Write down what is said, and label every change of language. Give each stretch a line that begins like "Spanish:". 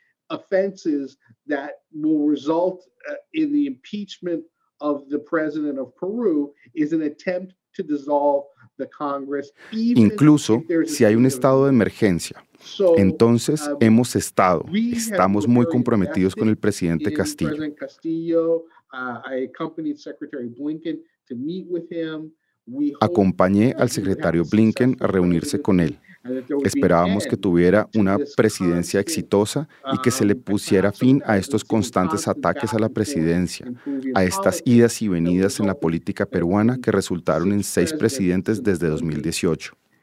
English: Offenses that will result in the impeachment of the president of Peru is an attempt to dissolve the Congress.
Spanish: Incluso si hay un estado de emergencia, entonces hemos estado, estamos muy comprometidos con el presidente Castillo.
English: President Castillo, I accompanied Secretary Blinken to meet with him.
Spanish: Acompañé al secretario Blinken a reunirse con él. Esperábamos que tuviera una presidencia exitosa y que se le pusiera fin a estos constantes ataques a la presidencia, a estas idas y venidas en la política peruana que resultaron en 6 presidentes desde 2018.